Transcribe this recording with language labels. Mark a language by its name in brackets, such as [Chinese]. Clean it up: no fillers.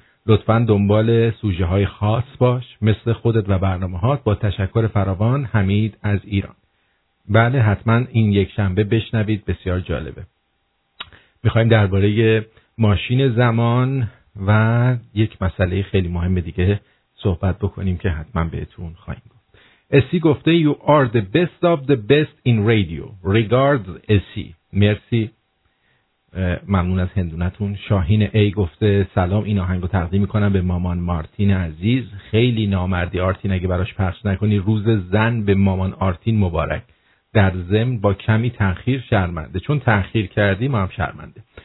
[Persian] لطفا دنبال سوژه های خاص باش مثل خودت و برنامه هات. با تشکر فراوان، حمید از ایران. بله حتما این یک شنبه بشنوید، بسیار جالبه. میخواییم درباره ماشین زمان و یک مسئله خیلی مهم دیگه صحبت بکنیم که حتما بهتون خواهیم گفت. اسی گفته [English] You are the best of the best in radio. Regards [Persian] اسی. مرسی. ممنون از هندونتون. شاهین ای گفته سلام، این آهنگ رو تقدیم میکنم به مامان مارتین عزیز. خیلی نامردی آرتین اگه براش پخش نکنی. روز زن به مامان آرتین مبارک. در ضمن با کمی تأخیر شرمنده، چون تأخیر کردی ما هم شرمنده.